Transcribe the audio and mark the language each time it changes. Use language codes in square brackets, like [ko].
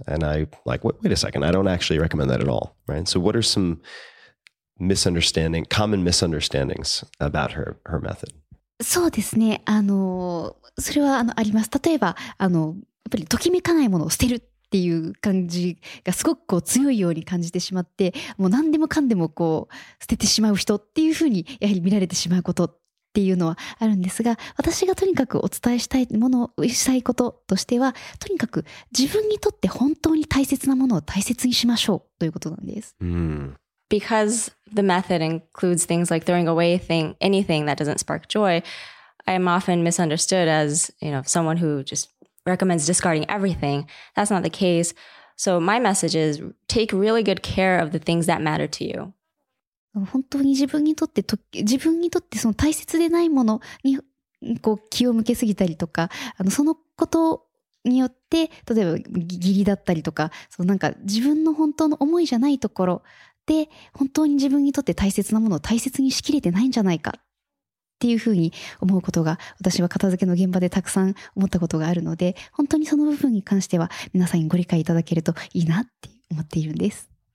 [en] And I like, wait a second, I don't actually recommend that at all, right? So what are some common misunderstandings about her method? [ja] そうですね。それはあります。例えば、やっぱりときめかないものを捨てるっていう感じがすごくこう強いように感じてしまって、もう何でもかんでもこう捨ててしまう人っていうふうにやはり見られてしまうことっていうのはあるんですが、私がとにかくお伝えしたいものをしたいこととしては、とにかく自分にとって本当に大切なものを大切にしましょうということなんです。うん。 [en] Because the method includes things like throwing away anything that doesn't spark joy, I am often misunderstood as, you know, someone who just recommends discarding everything. That's not the case. So my message is take really good care of the things that matter to you. [ja] 本当に自分にとって自分にとってその大切でないものにこう気を向けすぎたりとか、そのことによって例えば義理だったりとか、そのなんか自分の本当の思いじゃないところで本当に自分にとって大切なものを大切にしきれてないんじゃないかっていうふうに思うことが、私は片付けの現場でたくさん思ったことがあるので、本当にその部分に関しては皆さんにご理解いただけるといいなって思っているんです。